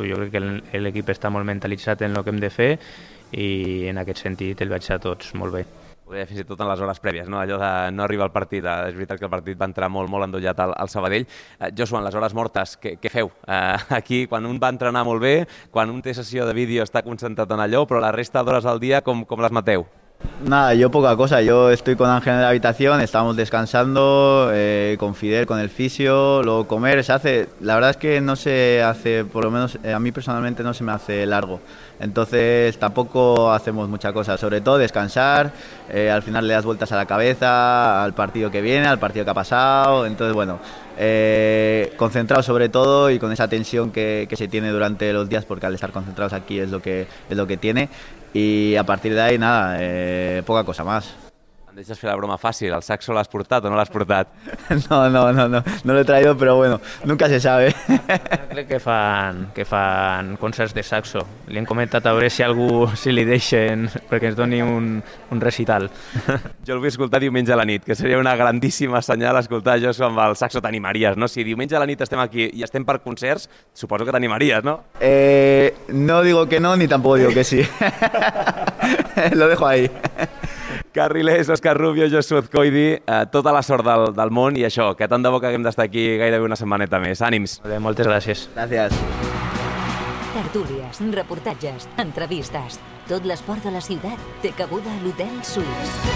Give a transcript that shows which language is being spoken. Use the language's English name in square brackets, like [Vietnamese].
[Catalan] Jo crec que l'equip està molt mentalitzat en el que hem de fer i en aquest sentit el vaig ser a tots molt bé. Ho deia fins i tot en les hores prèvies, no? Allò de no arribar al partit, és veritat que el partit va entrar molt, molt endollat al Sabadell. Josu, en les hores mortes, què feu? Aquí, quan un va entrenar molt bé, quan un té sessió de vídeo està concentrat en allò, però la resta d'hores al dia com les mateu? [Spanish] Nada, yo poca cosa. Yo estoy con Ángel en la habitación, estamos descansando, con Fidel, con el fisio, luego comer, se hace... La verdad es que no se hace, por lo menos a mí personalmente no se me hace largo. Entonces tampoco hacemos mucha cosa, sobre todo descansar, al final le das vueltas a la cabeza, al partido que viene, al partido que ha pasado. Entonces bueno, concentrado sobre todo y con esa tensión que se tiene durante los días, porque al estar concentrados aquí es lo que tiene. Y a partir de ahí, nada, poca cosa más. [Catalan] Em deixes fer la broma fàcil, el saxo l'has portat o no l'has portat? [Spanish] No l'he traído, però bueno, nunca se sabe. [Catalan] Crec que fan concerts de saxo. Li hem comentat a veure si algú, si li deixen, perquè ens doni un recital. Jo el vull escoltar diumenge a la nit, que seria una grandíssima senyal escoltar jo amb el saxo. T'animaries, no? Si diumenge a la nit estem aquí i estem per concerts, suposo que t'animaries, no? [Spanish] No digo que no, ni tampoco digo que sí. Lo dejo ahí. [Catalan] Carrilés, Òscar Rubio, Josu Azcoidi, tota la sort del món i això, que tant de bo que haguem d'estar aquí gairebé una setmaneta més. Ànims. Vale, moltes gràcies. Gràcies. Tertúlies, reportatges, entrevistes. Tot l'esport de la ciutat té cabuda a l'Hotel Suís.